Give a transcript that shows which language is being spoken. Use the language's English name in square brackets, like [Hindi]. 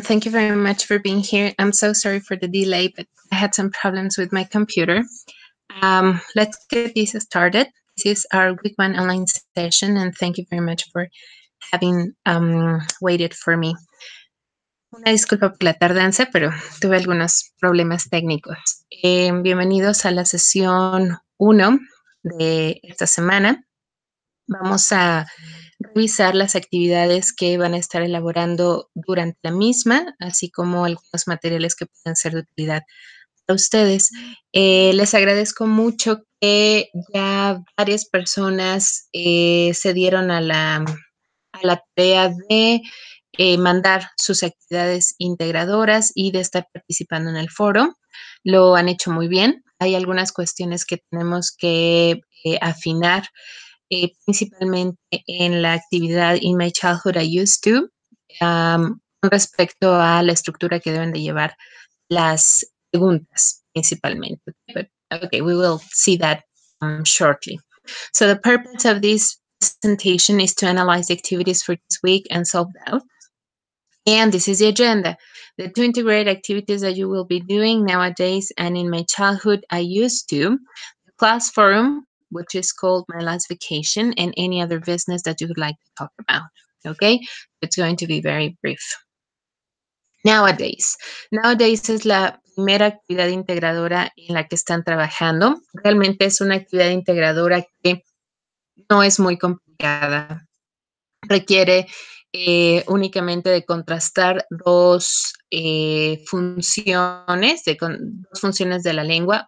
[English] Thank you very much for being here. I'm so sorry for the delay, but I had some problems with my computer. Let's get this started. This is our week one online session, and thank you very much for having waited for me. [Spanish] Una disculpa por la tardanza, pero tuve algunos problemas técnicos. Bienvenidos a la sesión 1 de esta semana. Vamos a revisar las actividades que van a estar elaborando durante la misma, así como algunos materiales que pueden ser de utilidad para ustedes. Les agradezco mucho que ya varias personas se dieron a la tarea de mandar sus actividades integradoras y de estar participando en el foro. Lo han hecho muy bien. Hay algunas cuestiones que tenemos que afinar. Principalmente en la actividad In My Childhood I Used To, respecto a la estructura que deben de llevar las preguntas, principalmente. [English] But, okay, we will see that shortly. So the purpose of this presentation is to analyze the activities for this week and solve doubts. And this is the agenda. The two integrated activities that you will be doing nowadays and In My Childhood I Used To, the class forum, which is called My Last Vacation, and any other business that you would like to talk about, okay? It's going to be very brief. Nowadays. [Spanish] Nowadays es la primera actividad integradora en la que están trabajando. Realmente es una actividad integradora que no es muy complicada. Requiere únicamente de contrastar dos funciones, dos funciones de la lengua.